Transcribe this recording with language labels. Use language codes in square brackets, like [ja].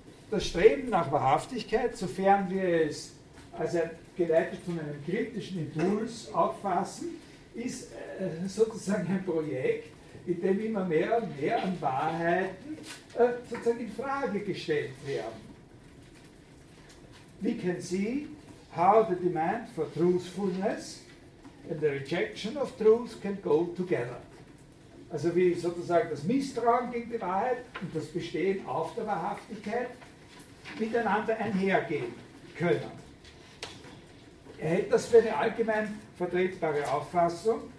[de] Das Streben nach Wahrhaftigkeit, sofern wir es also geleitet von einem kritischen Impuls auffassen, ist sozusagen ein Projekt, in dem immer mehr und mehr an Wahrheiten sozusagen in Frage gestellt werden. [en] We can see how the demand for truthfulness and the rejection of truth can go together. [de] Also wie sozusagen das Misstrauen gegen die Wahrheit und das Bestehen auf der Wahrhaftigkeit miteinander einhergehen können. Er hält das für eine allgemein vertretbare Auffassung.